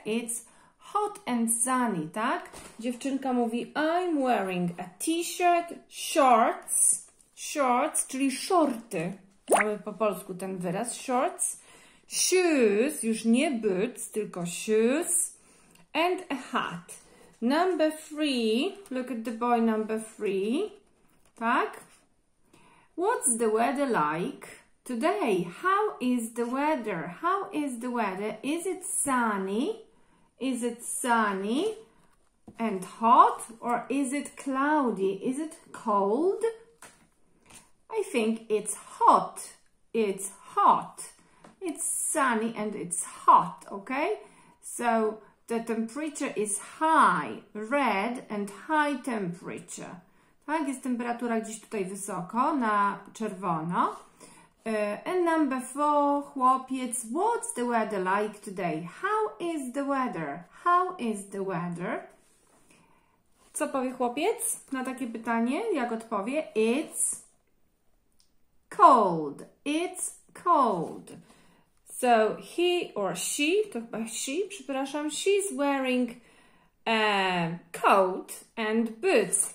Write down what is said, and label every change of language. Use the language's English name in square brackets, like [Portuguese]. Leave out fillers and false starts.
[English] It's hot and sunny, tak? [Polish] Dziewczynka mówi, [English] I'm wearing a t-shirt, shorts. [Polish] Shorts, czyli shorty. Mamy po polsku ten wyraz. Shorts. Shoes, już nie boots, tylko shoes. [English] And a hat. Number three, look at the boy number three, tak? What's the weather like today? How is the weather? How is the weather? Is it sunny? Is it sunny and hot? Or is it cloudy? Is it cold? I think it's hot. It's hot. It's sunny and it's hot, okay? So the temperature is high, red and high temperature. [Polish] Tak, jest temperatura gdzieś tutaj wysoko, na czerwono. [English] And number four, chłopiec, what's the weather like today? How is the weather? How is the weather? [Polish] Co powie chłopiec na takie pytanie? Jak odpowie? [English] It's cold. It's cold. So he or she, [Polish] to chyba [English] she, [Polish] przepraszam, [English] she's wearing a coat and boots.